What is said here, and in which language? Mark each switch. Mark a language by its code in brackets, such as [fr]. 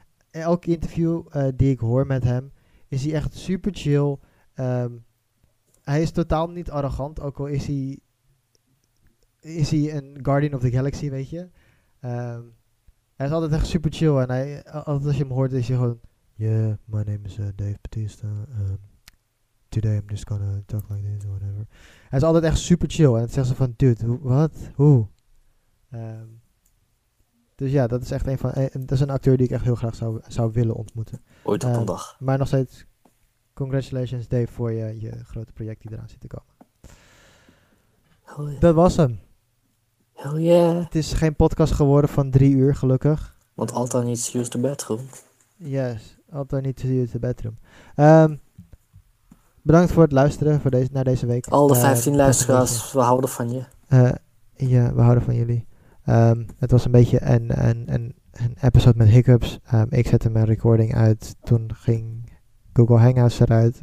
[nl] Elk interview die ik hoor met hem, is hij echt super chill. Hij is totaal niet arrogant, ook al is hij een Guardian of the Galaxy, weet je. Hij is altijd echt super chill. En hij, altijd als je hem hoort, is hij gewoon, [en] yeah, my name is Dave Bautista. Today I'm just gonna talk like this or whatever. [nl] Hij is altijd echt super chill. En het zegt ze van, dude, wat? Hoe? Dus ja, dat is echt een van. Dat is een acteur die ik echt heel graag zou willen ontmoeten. Ooit op een dag. Maar nog steeds, congratulations Dave voor je grote project die eraan zit te komen. [en] Hell yeah. [nl] Dat was hem. [en] Hell yeah. [nl] Het is geen podcast geworden van 3 uur, gelukkig. [en] Want Alta needs to use the bedroom. Yes, Alta needs to use the bedroom. [nl] Bedankt voor het luisteren naar deze week. Alle 15 luisteraars, we houden van je. Ja, we houden van jullie. Het was een beetje een episode met hiccups. Ik zette mijn recording uit. Toen ging Google Hangouts eruit.